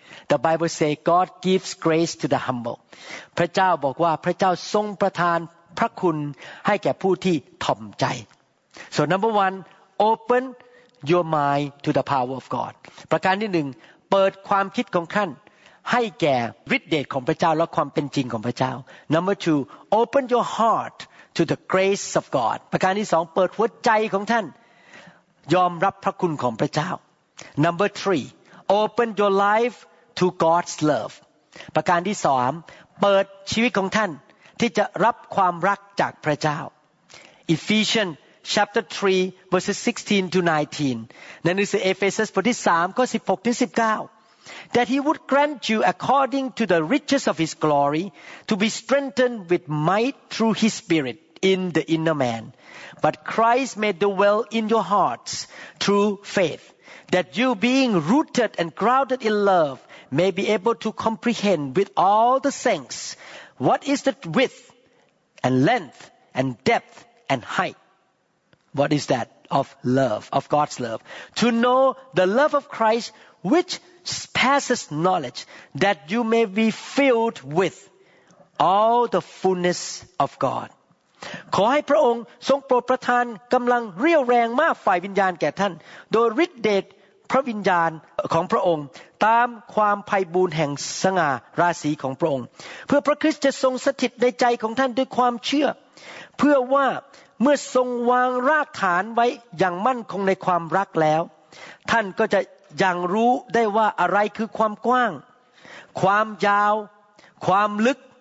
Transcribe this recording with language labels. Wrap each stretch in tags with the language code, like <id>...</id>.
<en>The Bible says God gives grace to the humble.</en> <th>พระเจ้าบอกว่าพระเจ้าทรงประทานพระคุณให้แก่ผู้ที่ถ่อมใจ</th> <en>So number one, openYour mind to the power of God.</en> <th>ประการที่หนึ่งเปิดความคิดของท่านให้แก่ฤทธิ์เดชของพระเจ้าและความเป็นจริงของพระเจ้า</th> <en>Number two, open your heart to the grace of God.</en> <th>ประการที่สองเปิดหัวใจของท่านยอมรับพระคุณของพระเจ้า</th> <en>Number three, open your life to God's love.</en> <th>ประการที่สามเปิดชีวิตของท่านที่จะรับความรักจากพระเจ้า Ephesians.</th> <en>Chapter 3 verses 16 to 19.</en> <th>ในหนังสือเอเฟซัสบทที่3ข้อ16ถึง19</th> <en>That he would grant you according to the riches of his glory to be strengthened with might through his spirit in the inner man. But Christ may dwell in your hearts through faith that you being rooted and grounded in love may be able to comprehend with all the saints what is the width and length and depth and height. What is that of love, of God's love? To know the love of Christ, which passes knowledge, that you may be filled with all the fullness of God.</en> <th>ขอให้พระองค์ทรงโปรดประทานกำลังเรียวแรงมากฝ่ายวิญญาณแก่ท่านโดยฤทธิ์เดชพระวิญญาณของพระองค์ตามความไพบูลย์แห่งสง่าราศีของพระองค์เพื่อพระคริสต์จะทรงสถิตในใจของท่านด้วยความเชื่อเพื่อว่าเมื่อทรงวางรากฐานไว้อย่างมั่นคงในความรักแล้วท่านก็จะยังรู้ได้ว่าอะไรคือความกว้างความยาวความลึก</th>